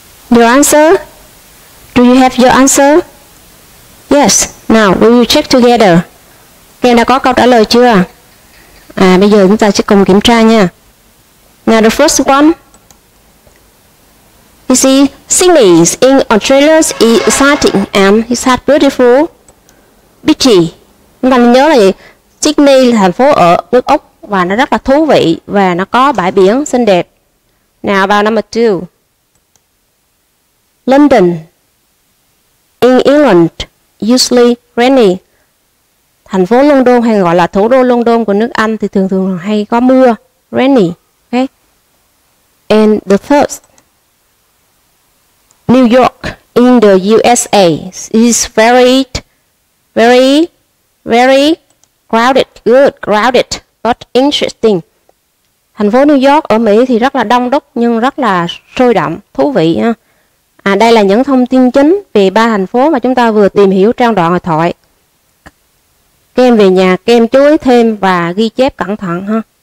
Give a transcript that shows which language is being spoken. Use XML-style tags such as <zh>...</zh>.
<en>Your answer? Do you have your answer? Yes. Now, we will check together.</en> <vi>Các em đã có câu trả lời chưa? À, bây giờ chúng ta sẽ cùng kiểm tra nha.</vi> <en>Now, the first one. You see, Sydney in Australia is exciting and it has beautiful beaches.</en> <vi>Chúng ta nhớ là Sydney là thành phố ở nước Úc và nó rất là thú vị và nó có bãi biển xinh đẹp.</vi> <en>Now, about number two. London in England. Usually rainy.</en> <vi>thành phố London hay gọi là thủ đô London của nước Anh thì thường thường hay có mưa, rainy.</vi> <en>Okay. And the first, New York in the USA is very, very, very crowded. Good, crowded, but interesting.</en> <vi>Thành phố New York ở Mỹ thì rất là đông đúc nhưng rất là sôi động, thú vị ha. À, đây là những thông tin chính về ba thành phố mà chúng ta vừa tìm hiểu trong đoạn hội thoại. Các em về nhà, các em chú ý thêm và ghi chép cẩn thận ha.</vi>